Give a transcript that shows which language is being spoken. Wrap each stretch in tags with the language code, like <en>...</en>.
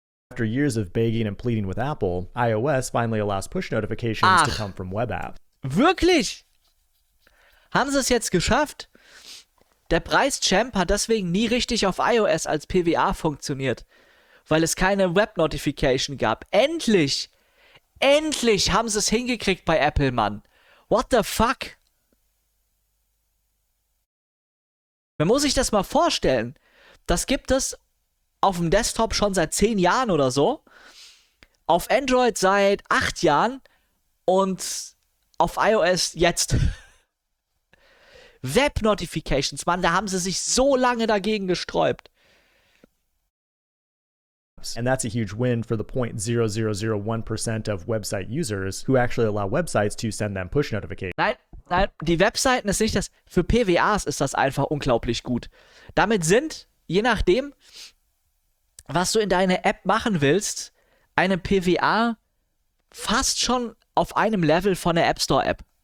<en>After years of begging and pleading with Apple, iOS finally allows push notifications</en> <de>Ach,</de> <en>to come from web apps.</en> <de>Wirklich? Haben sie es jetzt geschafft? Der Preis-Champ hat deswegen nie richtig auf iOS als PWA funktioniert, weil es keine Web-Notification gab. Endlich! Endlich haben sie es hingekriegt bei Apple, Mann!</de> <en>What the fuck?</en> <de>Man muss sich das mal vorstellen. Das gibt es auf dem Desktop schon seit 10 Jahren oder so, auf Android seit 8 Jahren und auf iOS jetzt. Web-Notifications, Mann, da haben sie sich so lange dagegen gesträubt.</de> <en>And that's a huge win for the 0.0001% of website users who actually allow websites to send them push notifications.</en> <de>Nein, die Webseiten ist nicht das, für PWAs ist das einfach unglaublich gut. Damit sind, je nachdem, was du in deine App machen willst, eine PWA fast schon auf einem Level von der App Store App.</de>